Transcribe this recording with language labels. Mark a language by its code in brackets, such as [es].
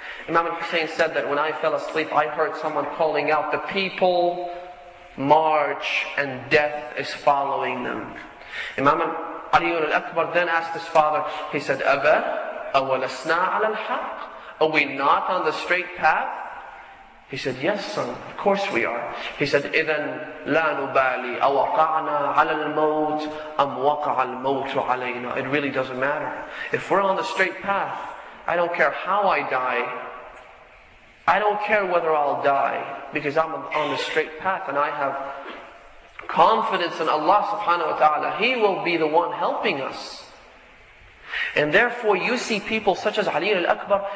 [en] Imam al-Hussein said that when I fell asleep, I heard someone calling out, the people march and death is following them. Imam Ali ibn al-Akbar then asked his father, he said, [ar] Aba, awalasna ala al-haq? [en] Are we not on the straight path? He said, yes son, of course we are. He said, [ar] إِذَنْ لَا نُبَالِي أَوَقَعْنَا عَلَى الْمَوْتِ أَمْ وَقَعَ الْمَوْتُ عَلَيْنَا. [en] It really doesn't matter. If we're on the straight path, I don't care how I die. I don't care whether I'll die, because I'm on the straight path and I have confidence in Allah subhanahu wa ta'ala. He will be the one helping us. And therefore you see people such as Ali al-Akbar.